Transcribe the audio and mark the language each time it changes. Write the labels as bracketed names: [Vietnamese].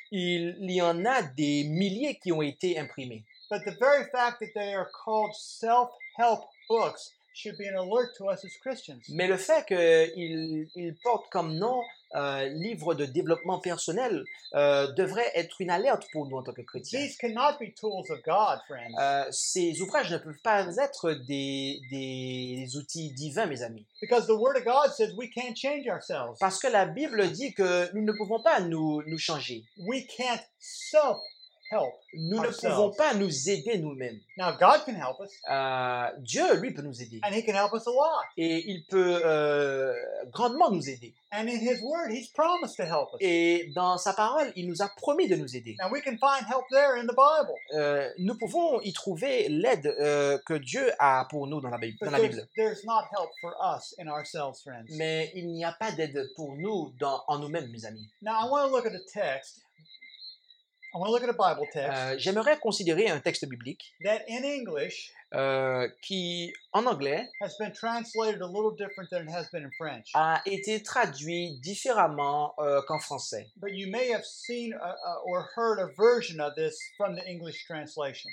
[French] Il y en a des milliers qui ont été imprimés. [English] But the very fact that they are called self-help books should be an alert to us as Christians. [French] Mais le fait qu'ils portent comme nom livres de développement personnel devrait être une alerte pour nous en tant que chrétiens. [English] These cannot be tools of God, friends. [French] Ces ouvrages ne peuvent pas être des outils divins, mes amis. [English] Because the Word of God says we can't change ourselves. [French] Parce que la Bible dit que nous ne pouvons pas nous changer. [English] We can't self. [French] Nous ne pouvons pas nous aider nous-mêmes. [English] Now God can help us. [French] Dieu, lui, peut nous aider. [English] And he can help us a lot. [French] Et il peut grandement nous aider. [English] And in his word, he's promised to help us. [French] Et dans sa parole, il nous a promis de nous aider. [English] Now we can find help there in the Bible. [French] Nous pouvons y trouver l'aide que Dieu a pour nous dans la Bible. [English] But [French] dans la Bible. [English] There's not help for us in ourselves, friends. [French] Mais il n'y a pas d'aide pour nous en nous-mêmes, mes amis. [English] Now I want to look at a text. I want to look at a Bible text. [French] J'aimerais considérer un texte biblique [English] that in English [French] qui en anglais [English] has been translated a little different than it has been in French. [French] A été traduit différemment qu'en français. [English] But you may have seen or heard a version of this from the English translation.